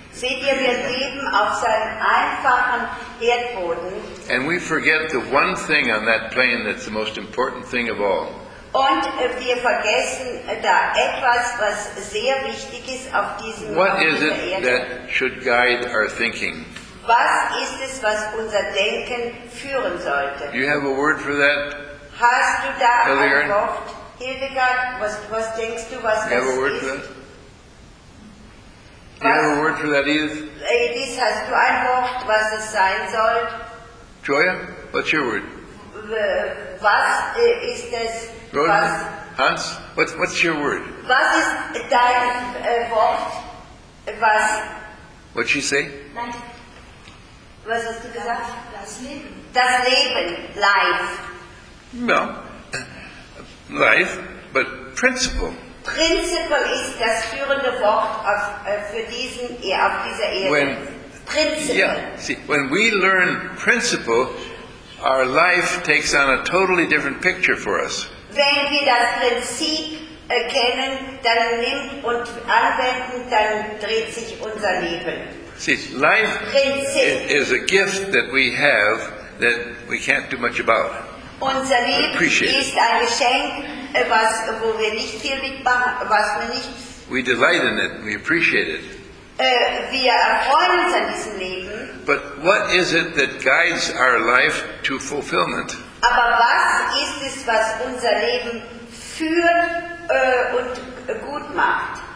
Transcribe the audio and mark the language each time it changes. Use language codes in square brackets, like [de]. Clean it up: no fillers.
[de] Seht ihr, wir leben auf so einem einfachen Erdboden. [en] And we forget the one thing on that plane that's the most important thing of all. [de] Und wir vergessen da etwas, was sehr wichtig ist auf diesem Erde. [en] What is it that should guide our thinking? [de] Was ist es, was unser Denken führen sollte? [en] You have a word for that? [de] Hast du da ein Wort? Hildegard, was denkst du, was [en] you have a word [de] ist? [en] For that? Do you have a word for that, Edith? [de] Edith, hast du ein Wort, was es sein soll? [en] Joya, what's your word? [de] Was ist es? [en] Was, Hans, what's your word? [de] Was ist dein Wort? Was? [en] What'd she say? [de] Was hast du gesagt? Das Leben. Das Leben, life. [en] No. Life, but principle. [de] Principle ist das führende Wort auf dieser Erde. [en] When, principle. Yeah, see, when we learn principle, our life takes on a totally different picture for us. [de] Wenn wir das Prinzip erkennen, dann nimmt und anwenden, dann dreht sich unser Leben. [en] See, life is a gift that we have that we can't do much about. [de] Unser Leben ist ein Geschenk, wo wir nicht viel mitmachen, was wir nicht. [en] We delight in it. We appreciate it. [de] Wir erfreuen uns an diesem Leben. [en] But what is it that guides our life to fulfillment? [de] Aber was ist es, was unser Leben führt und gut macht?